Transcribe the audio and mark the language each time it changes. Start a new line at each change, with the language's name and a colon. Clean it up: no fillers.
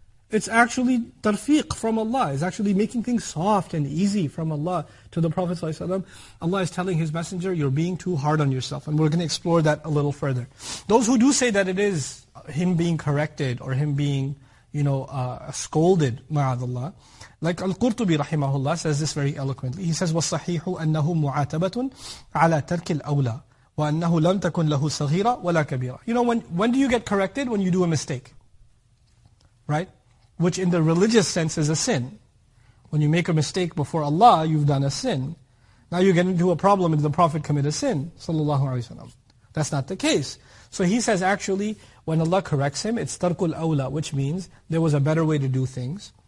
English: It's actually tarfiq from Allah. It's actually making things soft and easy from Allah to the Prophet ﷺ. Allah is telling His Messenger, you're being too hard on yourself. And we're going to explore that a little further. Those who do say that it is him being corrected or him being, you know, scolded, ma'adallah. Like Al-Qurtubi rahimahullah says this very eloquently. He says,
Arabic: وَالصَّحِيحُ أَنَّهُ مُعَاتَبَةٌ عَلَىٰ تَرْكِ الْأَوْلَىٰ وَأَنَّهُ لَمْ تَكُنْ لَهُ صَغِيرًا وَلَا كَبِيرًا.
English: You know, when do you get corrected? When you do a mistake. Right? Which in the religious sense is a sin. When you make a mistake before Allah, you've done a sin. Now you get into a problem and the Prophet commit a sin, sallallahu alayhi wa sallam. That's not the case. So he says actually, when Allah corrects him, it's tarkul awla, which means there was a better way to do things.